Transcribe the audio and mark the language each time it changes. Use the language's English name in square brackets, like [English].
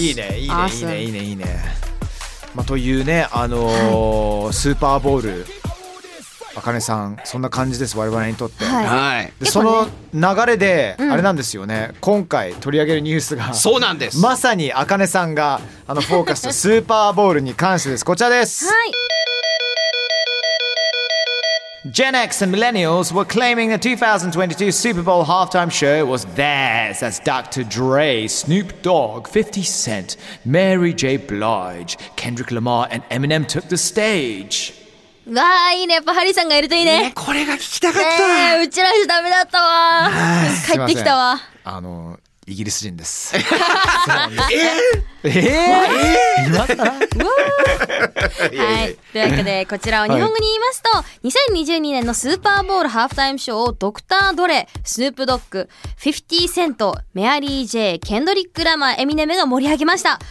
[Japanese] いいね、いいね、awesome. いいね、いいね、いいね。まあ、というね、スーパーボール、あかねさん、そんな感じです我々にとって、はい、でその流れであれなんですよね、うん、今回取り上げるニュースが、そうなんです、まさにあかねさんがあのフォーカスとスーパーボールに関してです。こちらです、はい、 [English] Gen X and Millennials were claiming the 2022 Super Bowl halftime show was theirs as Dr. Dre, Snoop Dogg, 50 Cent, Mary J. Blige, Kendrick Lamar and Eminem took the stage [Japanese] わー、いいね、やっぱハリーさんがいるといい ね、 ねこれが聞きたかった、ね、うちらじゃダメだったわ、帰ってきたわ。あのイギリス人です。はい、というわけでこちらを日本語に言いますと、はい、2022年のスーパーボールハーフタイムショーをドクター・ドレ、スヌープ・ドッグ、フィフティ・セント、メアリー・ジェイ、ケンドリック・ラマー、エミネムが盛り上げました。